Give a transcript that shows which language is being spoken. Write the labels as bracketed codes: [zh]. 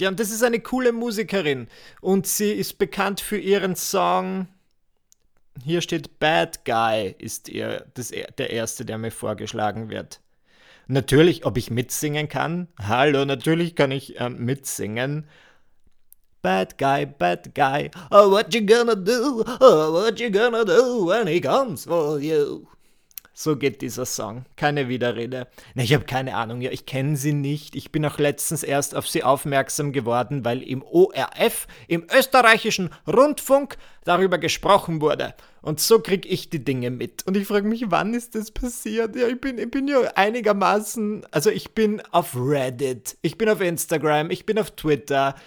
[de] Ja, und das ist eine coole Musikerin. Und sie ist bekannt für ihren Song. Hier steht Bad Guy ist ihr das, der erste, der mir vorgeschlagen wird. Natürlich, ob ich mitsingen kann? Hallo, natürlich kann ich mitsingen. [en] Bad guy, bad guy. Oh, what you gonna do? Oh, what you gonna do when he comes for you? [de] So geht dieser Song. Keine Widerrede. Na, ich habe keine Ahnung. Ja, ich kenne sie nicht. Ich bin auch letztens erst auf sie aufmerksam geworden, weil im ORF, im österreichischen Rundfunk, darüber gesprochen wurde. Und so kriege ich die Dinge mit. Und ich frage mich, wann ist das passiert? Ja, ich bin ja einigermaßen. Also, ich bin auf Reddit, ich bin auf Instagram, ich bin auf Twitter.